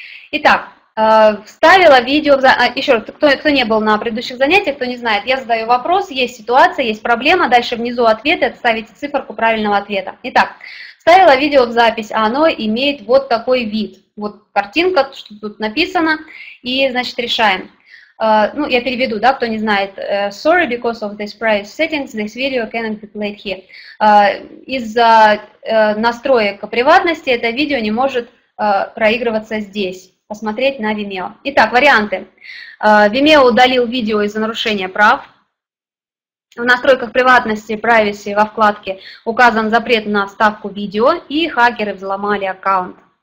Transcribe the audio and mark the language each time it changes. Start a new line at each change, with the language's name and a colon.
Russian: Итак, вставила видео, еще раз, кто не был на предыдущих занятиях, кто не знает, я задаю вопрос, есть ситуация, есть проблема, дальше внизу ответы, ставите циферку правильного ответа. Итак, вставила видео в запись, а оно имеет вот такой вид, вот картинка, что тут написано, и, значит, решаем. Ну, я переведу, да, кто не знает.
English: Sorry, because of this price settings, this video cannot be played here.
Russian: Из-за настроек приватности это видео не может проигрываться здесь. Посмотреть на Vimeo. Итак, варианты. Vimeo удалил видео из-за нарушения прав. В настройках приватности, privacy во вкладке указан запрет на вставку видео, и хакеры взломали аккаунт.